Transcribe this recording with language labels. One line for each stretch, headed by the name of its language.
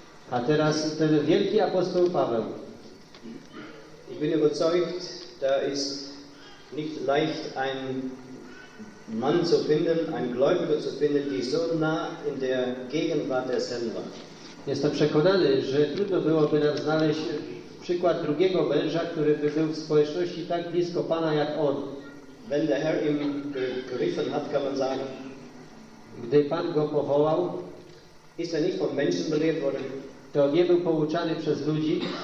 Polish: A teraz ten wielki apostoł Paweł.
German: Ich bin überzeugt, da ist nicht leicht ein Mann zu finden, ein Gläubiger zu finden, die so nah in der Gegenwart des Herrn war.
Polish: Jestem przekonany, że trudno byłoby nam znaleźć przykład drugiego męża, który by był w społeczności tak blisko Pana jak on.
German: Wenn der Herr ihn gerufen hat, kann man sagen,
Polish: gdy Pan go powołał,
German: ist er nicht von Menschen belehrt worden,
Polish: to nie był pouczany przez ludzi,